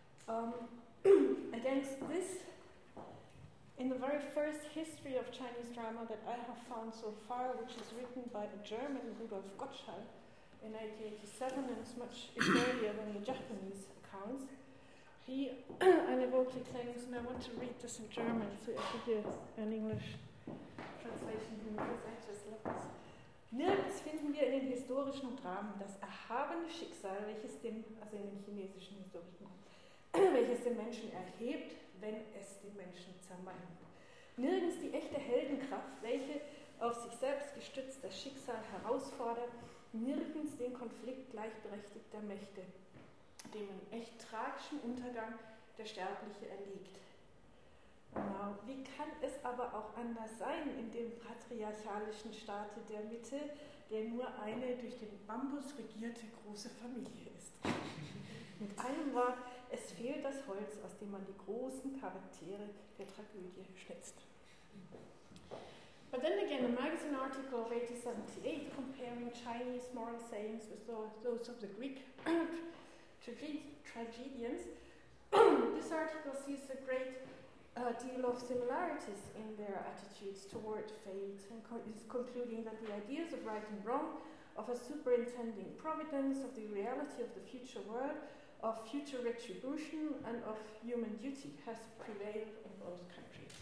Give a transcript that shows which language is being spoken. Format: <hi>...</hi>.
<en>against this, in the very first history of Chinese drama that I have found so far, which is written by a German, Rudolf Gottschall, in 1887, and it's much earlier than the Japanese accounts, He unevokedly claims, and I want to read this in German, so if you hear an English translation, because I just love this.</en> <de>Nirgends finden wir in den historischen Dramen das erhabene Schicksal, welches den, also in den chinesischen historischen, welches den Menschen erhebt, wenn es den Menschen zermalmt. Nirgends die echte Heldenkraft, welche auf sich selbst gestützt das Schicksal herausfordert, nirgends den Konflikt gleichberechtigter Mächte, dem einen echt tragischen Untergang der Sterbliche erliegt. Genau. Wie kann es aber auch anders sein in dem patriarchalischen Staate der Mitte, der nur eine durch den Bambus regierte große Familie ist? Mit einem Wort, es fehlt das Holz, aus dem man die großen Charaktere der Tragödie schnitzt.</de> <en>But then again, a magazine article of 1878 comparing Chinese moral sayings with those of the Greek tragedians, this article sees a great deal of similarities in their attitudes toward fate and is concluding that the ideas of right and wrong, of a superintending providence, of the reality of the future world, of future retribution, and of human duty has prevailed in both countries.</en>